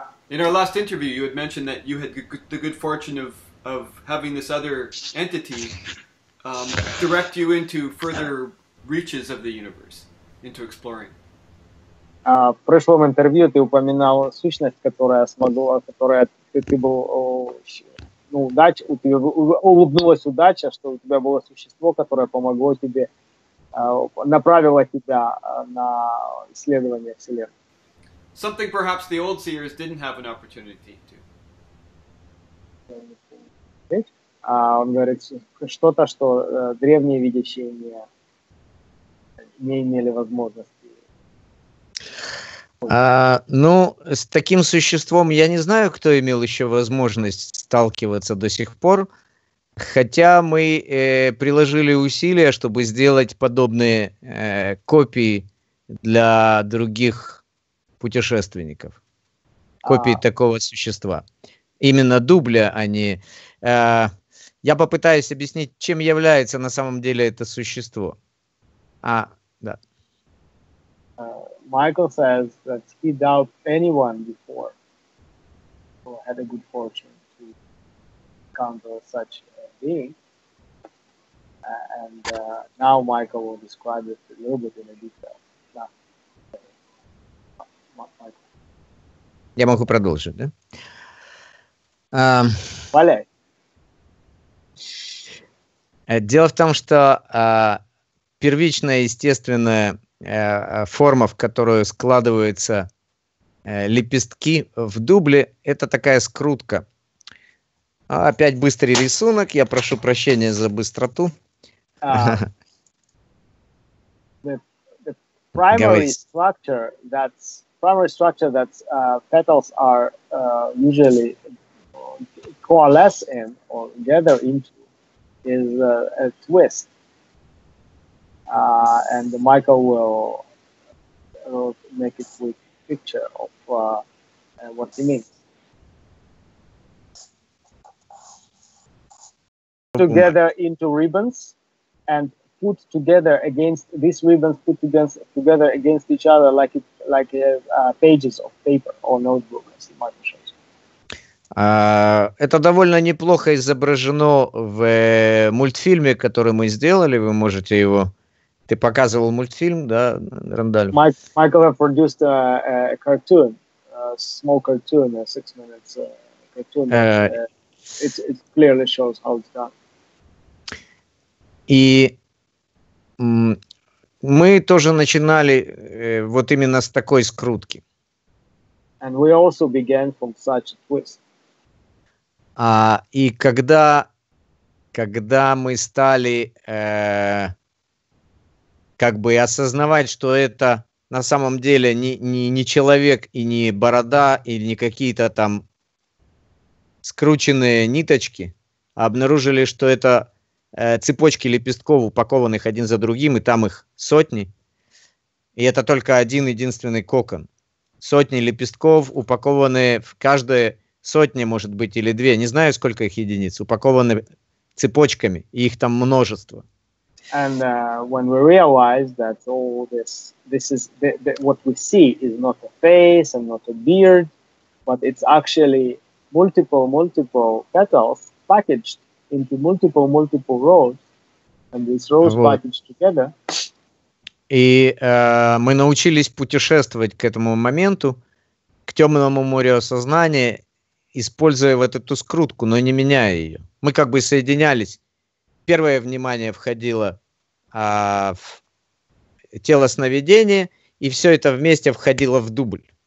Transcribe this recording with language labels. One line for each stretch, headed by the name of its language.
English: In our last interview, you had mentioned that you had the good fortune of having this other entity direct you into further reaches of the universe, into exploring.
Russian: В прошлом интервью ты упоминал сущность, которая смогла, которая ты был, ну, удача, у тебя улыбнулась удача, что у тебя было существо, которое помогло тебе. Направила тебя на исследование вселенной.
English: Something perhaps the old seers didn't have an opportunity to.
Russian: Он говорит, что-то, что древние видящие не имели возможности. Ну, с таким существом я не знаю, кто имел еще возможность сталкиваться до сих пор. Хотя мы приложили усилия, чтобы сделать подобные копии для других путешественников. Копии такого существа. Именно дубля, а не... Я попытаюсь объяснить, чем является на самом деле это существо.
English: Michael says that he doubt anyone before who had a good fortune to encounter such being, and now Michael will describe it a little bit in a detail.
Russian: Я могу продолжить, да? Валяй. Дело в том, что первичная естественная форма, в которую складываются лепестки в дубле, это такая скрутка. Опять быстрый рисунок. Я прошу прощения за быстроту.
English: The primary structure that's petals are usually coalesce in or gather into is a twist. And Michael will make it quick. picture of what he means. Together into ribbons and put together against these ribbons, put together against each other like pages of paper or notebook, as you might show.
Russian: Это довольно неплохо изображено в мультфильме, который мы сделали. Вы можете его... Ты показывал мультфильм, да, Рандаль?
English: Майкл produced a cartoon, a small cartoon, a 6-minute cartoon. It clearly shows how it's done.
Russian: И мы тоже начинали вот именно с такой скрутки.
English: And we also began from such a twist.
Russian: И когда мы стали как бы осознавать, что это на самом деле не человек и не борода, и не какие-то там скрученные ниточки, а обнаружили, что это цепочки лепестков, упакованных один за другим, и там их сотни, и это только один единственный кокон. Сотни лепестков, упакованные в каждое... Сотни, может быть, или две, не знаю, сколько их единиц, упакованы цепочками, и их там множество.
English: And when we realized that all this is the what we see is not a face and not a beard, but it's actually multiple petals packaged into multiple rows, and these rows вот. Packaged together.
Russian: И мы научились путешествовать к этому моменту, к темному морю осознания. Используя вот эту скрутку, но не меняя ее. Мы как бы соединялись. Первое внимание входило в тело сновидения, и все это вместе входило в дубль.